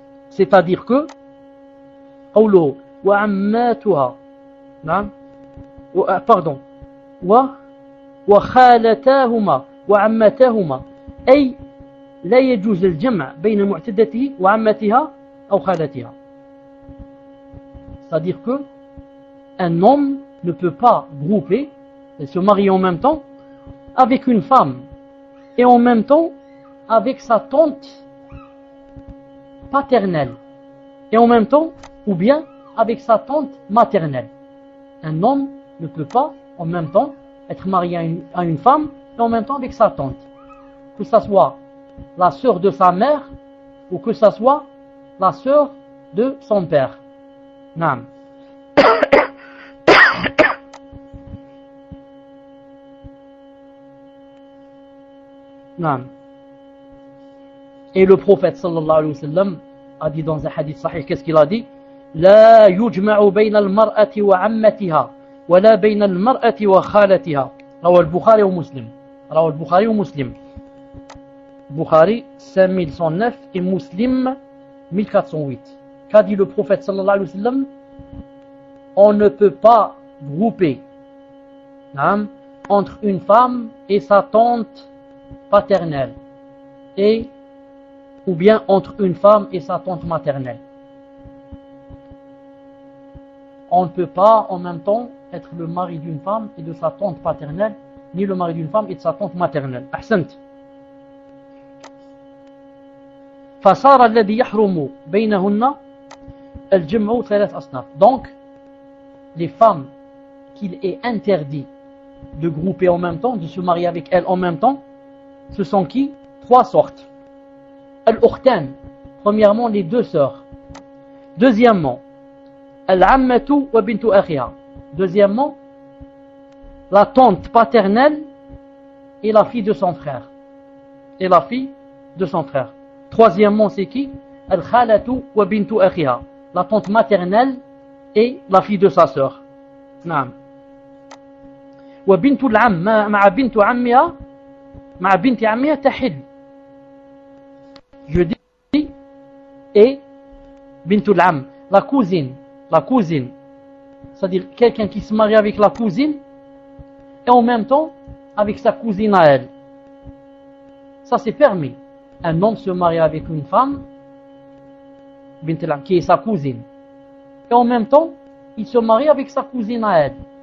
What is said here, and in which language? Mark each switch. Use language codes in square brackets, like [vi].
[ar] C'est-à-dire que قوله وعماتها نعم وا pardon وخالتاهما وعمتاهما أي لا يجوز الجمع بين معتدته وعمتها أو خالتها. [fr] C'est-à-dire que un homme ne peut pas grouper et se marier en même temps avec une femme et en même temps avec sa tante paternelle et en même temps ou bien avec sa tante maternelle. Un homme ne peut pas en même temps être marié à une femme et en même temps avec sa tante, que ça soit la sœur de sa mère ou que ça soit la sœur de son père. Naam. Naam. Et le prophète sallallahu alayhi wa sallam a dit dans un hadith sahih, qu'est-ce qu'il a dit? [ar] لا يجمع بين المرأة وعمتها ولا بين المرأة وخالتها. رواه البخاري ومسلم. بخاري 5109 et مسلم 1408. [fr] Qu'a dit le prophète sallallahu alayhi wa sallam? On ne peut pas grouper entre une femme et sa tante paternelle et ou bien entre une femme et sa tante maternelle. On ne peut pas en même temps être le mari d'une femme et de sa tante paternelle, ni le mari d'une femme et de sa tante maternelle. [ar] أحسنت. فصار الذي يحرم بينهن الجمع ثلاث أصناف. [fr] Donc, les femmes qu'il est interdit de grouper en même temps, de se marier avec elles en même temps, ce sont qui? Trois sortes. الأختان. Premièrement, les deux sœurs. [ar] Deuxièmement, العمّة وبنت أخيها. [fr] Deuxièmement, la tante paternelle et la fille de son frère. Et la fille de son frère. Troisièmement, c'est qui? [ar] الخالة وبنت أخيها. [fr] La tante maternelle et la fille de sa sœur. [ar] نعم. وبنت العم مع بنت عمها مع بنت عمها تحل. [fr] Je dis et بنت العم, la cousine. La cousine, c'est-à-dire quelqu'un qui se marie avec la cousine et en même temps avec sa cousine à elle. Ça, c'est permis. Un homme se marie avec une femme qui est sa cousine et en même temps, il se marie avec sa cousine à elle.